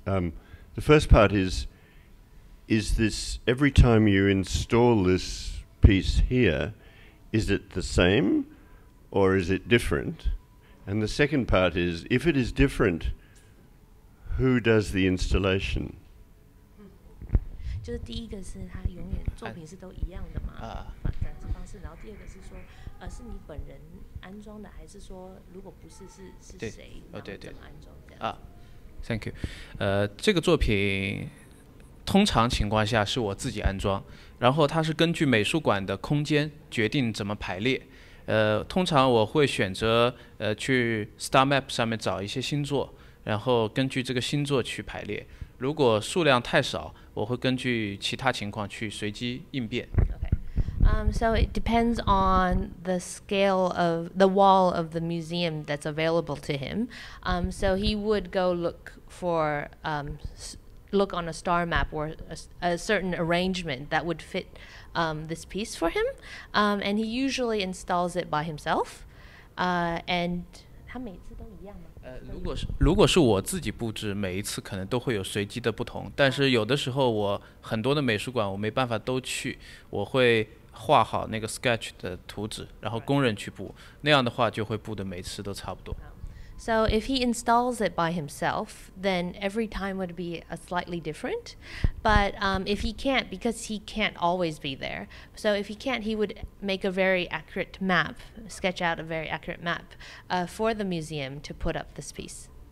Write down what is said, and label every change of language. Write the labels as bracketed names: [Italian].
[English] The first part is this every time you install this piece here, is it the same or is it different? And the second part is, if it is different, who does the installation? [Chinese] 就是第一个是他永远作品是都一样的嘛，这样子方式。然后第二个是说，是你本人安装的，还是说如果不是是谁，然后怎么安装这样？ [English] Thank you。 [Chinese] 这个作品通常情况下是我自己安装，然后它是根据美术馆的空间决定怎么排列。通常我会选择去 Star Map 上面找一些星座，然后根据这个星座去排列。如果数量太少，我会根据其他情况去随机应变。 [English] Okay. So it depends on the scale of the wall of the museum that's available to him. So he would go look on a star map or a certain arrangement that would fit this piece for him. And he usually installs it by himself. And [Chinese] 他每次都一样吗？如果是我自己布置，每一次可能都会有随机的不同。但是有的时候我很多的美术馆我没办法都去，我会画好那个 sketch 的图纸，然后工人去布。那样的话就会布的每次都差不多。 [English] So if he installs it by himself, then every time would be a slightly different. But if he can't, because he can't always be there, so if he can't, he would make a very accurate map, sketch out a very accurate map for the museum to put up this piece.